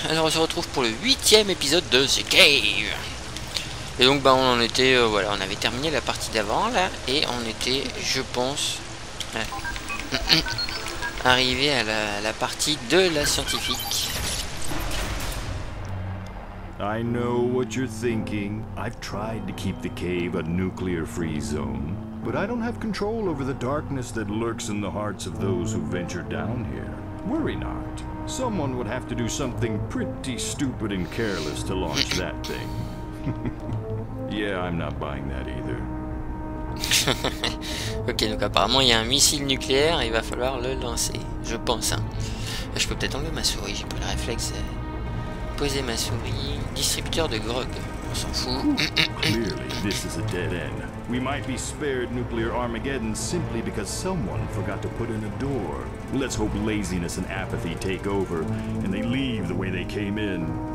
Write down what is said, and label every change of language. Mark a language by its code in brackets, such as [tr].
[fr] Alors on se retrouve pour le 8e épisode de The Cave! Et donc bah on en était, voilà, on avait terminé la partie d'avant là, et on était, je pense, arrivé à la partie de la scientifique. [en] I know what you're thinking. I've tried to keep the cave a nuclear-free zone, but I don't have control over the darkness that lurks in the hearts of those who venture down here. Worry not. Someone would have to do something pretty stupid and careless to launch that thing. Yeah, I'm not buying that either. [fr] Ok, donc apparemment il y a un missile nucléaire et il va falloir le lancer, je pense. Je peux peut-être enlever ma souris, j'ai pas le réflexe. Poser ma souris, distributeur de grog, on s'en fout. [en] Clearly, this is a dead end. We might be spared nuclear Armageddon simply because someone forgot to put in a door. Let's hope laziness and apathy take over, and they leave the way they came in.